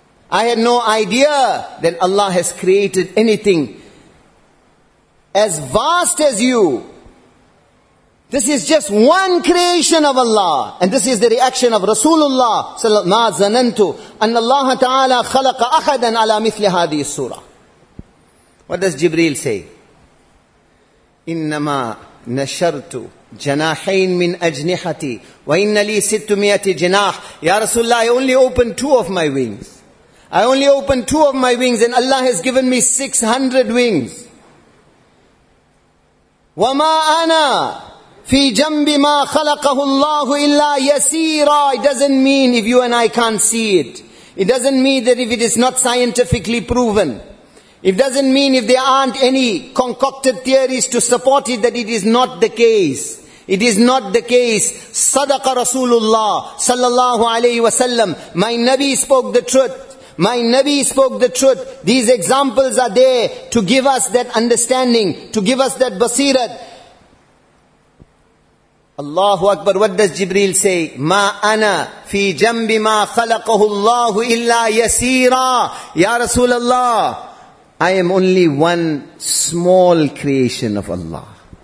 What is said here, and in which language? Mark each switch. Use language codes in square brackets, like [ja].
[en] I had no idea that Allah has created anything as vast as you. This is just one creation of Allah. And this is the reaction of Rasulullah ﷺ. [ar] مَا زَنَنْتُ أَنَّ اللَّهَ تَعَالَى خَلَقَ أَحَدًا عَلَى مِثْلِ هَذِهِ السُّورَةِ [en] What does Jibreel say? [ar] إِنَّمَا نَشَرْتُ جَنَاحَيْنِ مِنْ أَجْنِحَتِي وَإِنَّ لِي 600 جِنَاحٍ [en] Ya Rasulullah, I only opened two of my wings. I only opened two of my wings and Allah has given me 600 wings. [ar] وَمَا أَنَا فِي جَنْبِ مَا خَلَقَهُ اللَّهُ إِلَّا يَسِيرًا [en] It doesn't mean if you and I can't see it. It doesn't mean that if it is not scientifically proven. It doesn't mean if there aren't any concocted theories to support it that it is not the case. It is not the case. [ar] صَدَقَ رَسُولُ اللَّهُ صَلَّى اللَّهُ عَلَيْهِ وَسَلَّمُ [en] My Nabi spoke the truth. My Nabi spoke the truth. These examples are there to give us that understanding, to give us that basirat. Allahu Akbar, what does Jibreel say? [ar] Ma ana fi jambi ma khalaqahu Allahu illa yaseera. [en] Ya Rasulullah, I am only one small creation of Allah.